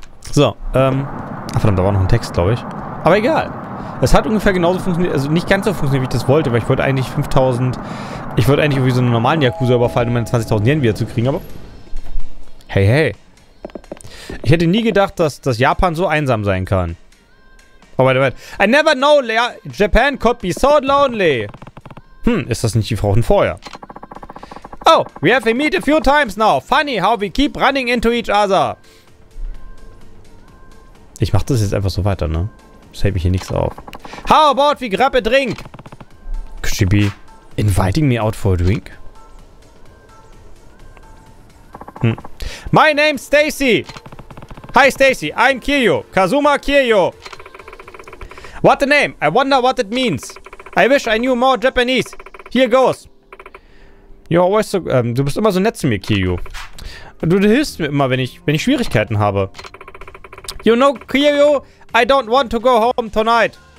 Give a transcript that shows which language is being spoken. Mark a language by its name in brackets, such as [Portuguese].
[German] So, verdammt, da war noch ein Text, glaube ich. Aber egal. Es hat ungefähr genauso funktioniert, also nicht ganz so funktioniert, wie ich das wollte, weil ich wollte eigentlich 5000... Ich wollte eigentlich irgendwie so einen normalen Yakuza überfallen, um meine 20.000 Yen wieder zu kriegen, aber... Hey, hey. Ich hätte nie gedacht, dass Japan so einsam sein kann. [English] Oh, wait. I never know, Japan could be so lonely. [German] Ist das nicht die Frau von vorher? [English] Oh, we have met a few times now. Funny how we keep running into each other. [German] Ich mach das jetzt einfach so weiter, ne? Das hält mich hier nichts auf. [English] How about we grab a drink? Could she be inviting me out for a drink? My name's Stacy. Hi, Stacy. I'm Kiryu. Kazuma Kiryu. What the name? I wonder what it means. I wish I knew more Japanese. Here goes. [German] Ja, weißt du, du bist immer so nett zu mir, Kiryu. Du hilfst mir immer, wenn ich Schwierigkeiten habe. [English] You know, Kiryu, I don't want to go home tonight.